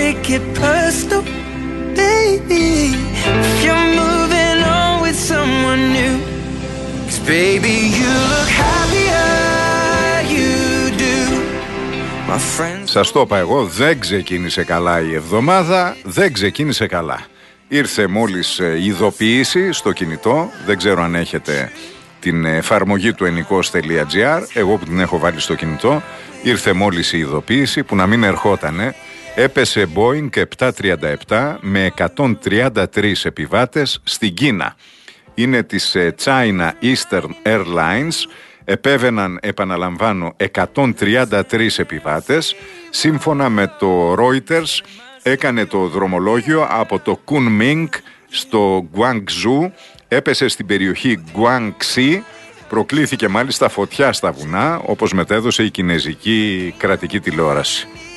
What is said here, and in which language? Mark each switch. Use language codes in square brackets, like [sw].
[en] Get personal, baby, if you're moving on with someone new. Cause baby, you look happier, you do. My friends. [el] Σας το είπα εγώ, δεν ξεκίνησε καλά η εβδομάδα, δεν ξεκίνησε καλά. Ήρθε μόλις ειδοποίηση στο κινητό, δεν ξέρω αν έχετε την εφαρμογή του enikos.gr, εγώ που την έχω βάλει στο κινητό, ήρθε μόλις η ειδοποίηση που να μην ερχότανε. Έπεσε Boeing 737 με 133 επιβάτες στην Κίνα. Είναι της China Eastern Airlines. Επέβαιναν, επαναλαμβάνω, 133 επιβάτες. Σύμφωνα με το Reuters, έκανε το δρομολόγιο από το Kunming στο Guangzhou. Έπεσε στην περιοχή Guangxi. Προκλήθηκε μάλιστα φωτιά στα βουνά, όπως μετέδωσε η κινέζικη κρατική τηλεόραση.